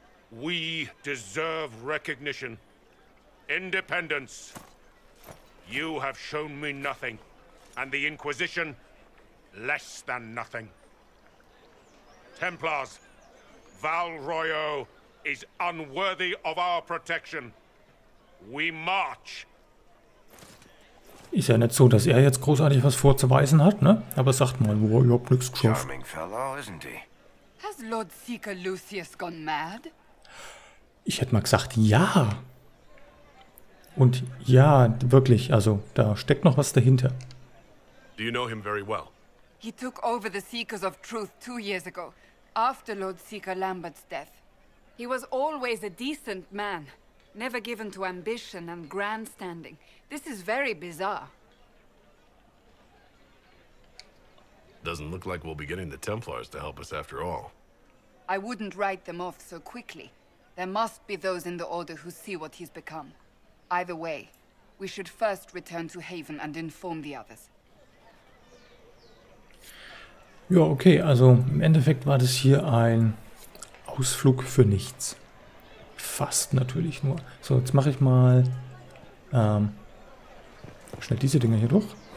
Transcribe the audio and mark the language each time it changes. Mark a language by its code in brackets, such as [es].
[en] We deserve recognition. Independence. You have shown me nothing, and the Inquisition less than nothing. Templars, Val Royo is unworthy of our protection. We march. [de] Ist ja nicht so, dass er jetzt großartig was vorzuweisen hat, ne? Aber sagt mal, wo ich hab nix geschafft. [en] Charming fellow, isn't he? Has Lord Seeker Lucius gone mad? [de] Ich hätte mal gesagt, ja. Und ja, wirklich, also da steckt noch was dahinter. [en] Do you know him very well? He took over the Seekers of Truth 2 years ago, after Lord Seeker Lambert's death. He was always a decent man, never given to ambition and grandstanding. This is very bizarre. Doesn't look like we'll be getting the Templars to help us after all. I wouldn't write them off so quickly. There must be those in the Order who see what he's become. Either way, we should first return to Haven and inform the others. [de] Ja, okay, also im Endeffekt war das hier ein Ausflug für nichts. Fast natürlich nur. So, jetzt mache ich mal schnell diese Dinger hier durch.